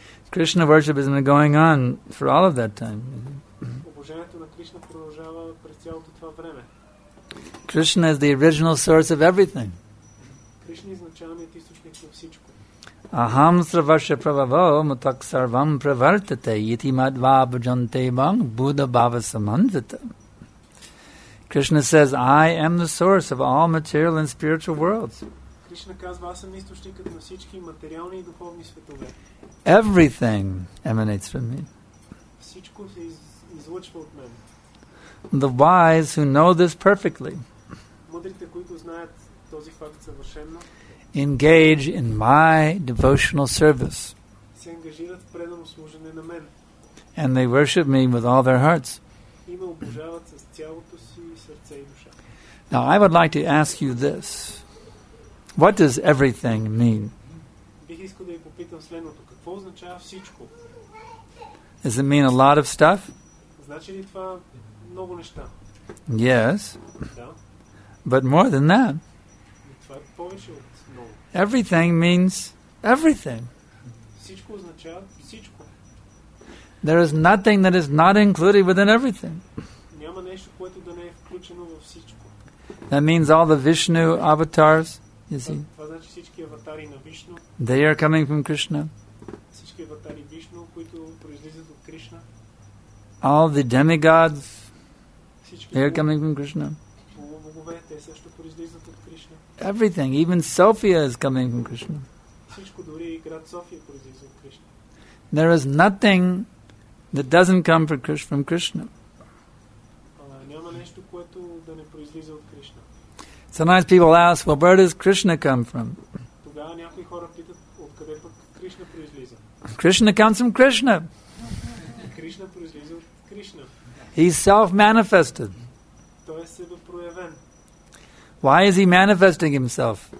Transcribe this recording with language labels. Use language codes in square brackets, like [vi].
[en] Krishna worship has been going on for all of that time. [bg] служението на Кришна продължава през цялото това време. [en] Krishna is the original source of everything. [bg] Кришна е началният източник на всичко. [sa] Aham sravasya pravavo mutak sarvam pravartate iti madva bhajante bang buddha bhava samandita. [en] Krishna says, I am the source of all material and spiritual worlds. [bg] Krishna казва, аз съм източникът на всички материални и духовни светове. [en] Everything emanates from me. [bg] Всичко се излъчва от мен. [en] The wise who know this perfectly, [bg] мъдрите, които знаят този факт съвършенно, [en] engage in my devotional service. [bg] Се ангажират в предано служене на мен. [en] And they worship me with all their hearts. [bg] И ме обожават с цялото си сърце и душа. [en] Now I would like to ask you this. What does everything mean? [bg] Бих искал да ви попитам следното. Какво означава всичко? [en] Does it mean a lot of stuff? [bg] Значи ли това много неща? [en] Yes. [bg] Да. [en] But more than that. [bg] Това е повече. [en] Everything means everything. [bg] Всичко означава всичко. [en] There is nothing that is not included within everything. [bg] Няма нещо, което да не е включено във всичко. [en] That means all the Vishnu avatars, you see. [bg] Това значи всички аватари на Вишну. [en] They are coming from Krishna. [bg] Всички аватари Вишну, които произлизат от Кришна. [en] All the demigods, they are coming from Krishna. [bg] Боговете също произлизат от Кришна. [en] Everything, even Sophia is coming from Krishna. [bg] Всичко, дори и град София произлиза от Кришна. [en] There is nothing that doesn't come from Krishna. [bg] Няма нещо, което да не произлиза от Кришна. [en] Sometimes people ask, well, where does Krishna come from? [bg] Тогава някои хора питат, откъде пък Кришна произлиза? [en] Krishna comes from Krishna. [bg] Кришна произлиза от Кришна. [en] He's self-manifested. [bg] Той е себе проявен. [en] Why is he manifesting himself?